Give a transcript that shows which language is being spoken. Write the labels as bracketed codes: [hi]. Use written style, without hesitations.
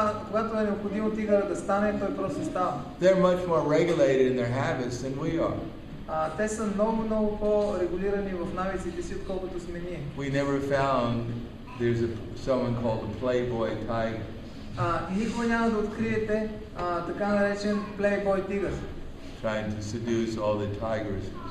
[bg] Когато е необходимо тигъра да стане, той просто става. [en] They're much more regulated in their habits than we are. [bg] Те са много, много по-регулирани в навиците си, отколкото сме ние. [en] We never found there's someone called a playboy tiger. [bg] Никога няма да откриете така наречен [en] playboy tiger. Trying to seduce all the tigers.